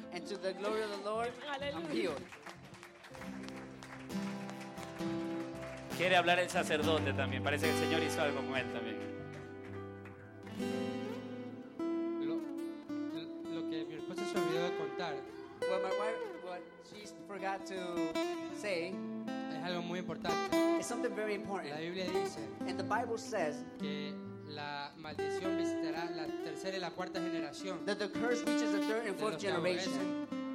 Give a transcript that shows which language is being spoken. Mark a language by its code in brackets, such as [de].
[en] And to the glory of the Lord, I'm healed. [es] Quiere hablar el sacerdote también. Parece que el Señor hizo algo con él también. Lo que mi esposa se olvidó de contar. [en] What my wife, what she forgot to say. [es] Es algo muy importante. [en] It's something very important. [es] La Biblia dice. [en] And the Bible says. [es] Que la maldición visitará la tercera y la cuarta generación. [en] That the curse reaches the third and fourth generation.